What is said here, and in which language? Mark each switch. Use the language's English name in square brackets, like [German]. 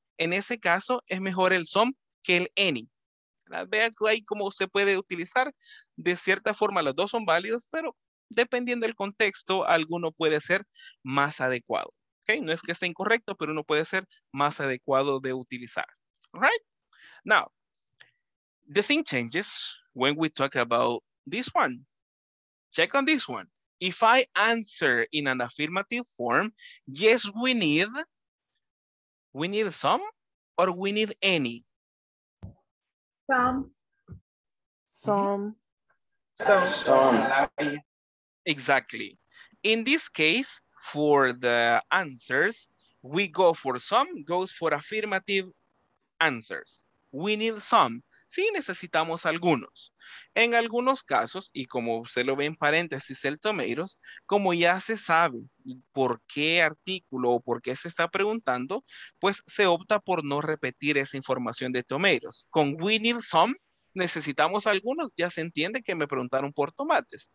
[Spanish] En ese caso, es mejor el some que el any. Vea ahí cómo se puede utilizar. De cierta forma, los dos son válidos, pero dependiendo del contexto, alguno puede ser más adecuado. Okay, no es que esté incorrecto, pero uno puede ser más adecuado de utilizar. [English] All right? Now, the thing changes when we talk about this one. Check on this one. If I answer in an affirmative form, yes, we need some or we need any? Some. Exactly. In this case, for the answers, we go for some, goes for affirmative answers. We need some. [Spanish] Sí, necesitamos algunos. En algunos casos, y como usted lo ve en paréntesis, el tomatoes, como ya se sabe por qué artículo o por qué se está preguntando, pues se opta por no repetir esa información de tomatoes. Con [English] we need some, [Spanish] necesitamos algunos, ya se entiende que me preguntaron por tomates.